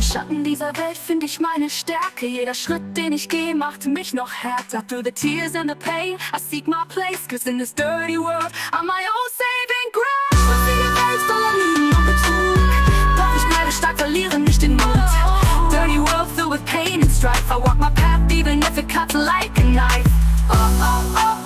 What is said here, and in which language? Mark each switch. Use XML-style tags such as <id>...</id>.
<de>Dieser Welt finde ich meine Stärke. Jeder Schritt, den ich gehe, macht mich noch härter.</de> <en>Through the tears and the pain, I seek my place. Cause in this dirty world, I'm my own saving grace.</en> <de>Schmutzige Welt voller Lügen und Betrug. Doch ich bleibe stark, verliere nicht den Mut.</de> <en>Dirty world filled with pain and strife. I walk my path even if it cuts like a knife. Oh, oh, oh.</en>